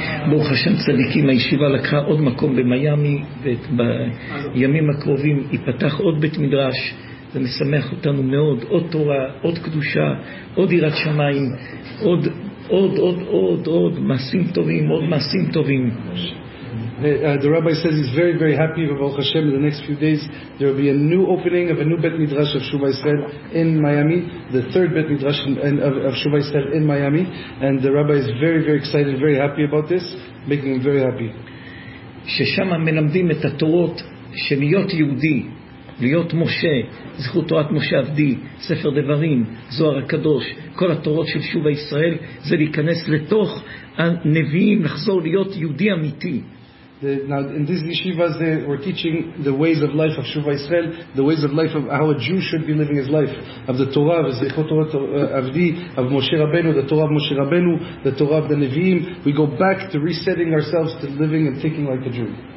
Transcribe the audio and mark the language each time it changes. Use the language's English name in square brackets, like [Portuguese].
[Hebrew] ברוך השם צדיקים, הישיבה לקחה עוד מקום במיאמי, ובימים הקרובים ייפתח עוד בית מדרש, ומשמח אותנו מאוד. עוד תורה, עוד קדושה, עוד עירת שמיים, עוד עוד עוד עוד עוד מעשים טובים, עוד מעשים טובים. [English] The rabbi says he's very very happy. Baruch Hashem, in the next few days there will be a new opening of a new Bet Midrash of Shuvah Yisrael in Miami, the third Bet Midrash of Shuvah Yisrael in Miami, and the rabbi is very very excited, very happy about this, making him very happy. [Hebrew] ששם מלמדים את התורות של להיות יהודי, להיות משה, זכות תורת משה עבדי, ספר דברים, זוהר הקדוש, כל התורות של שובה ישראל, זה להיכנס לתוך הנביאים, לחזור להיות יהודי אמיתי. [English] Now in this yeshiva they were teaching the ways of life of Shuvah Yisrael, the ways of life of how a Jew should be living his life, of the Torah, Zichot Torah Avdi, of Moshe Rabbeinu, the Torah of Moshe Rabbeinu, the Torah of the Nevi'im. We go back to resetting ourselves to living and thinking like a Jew.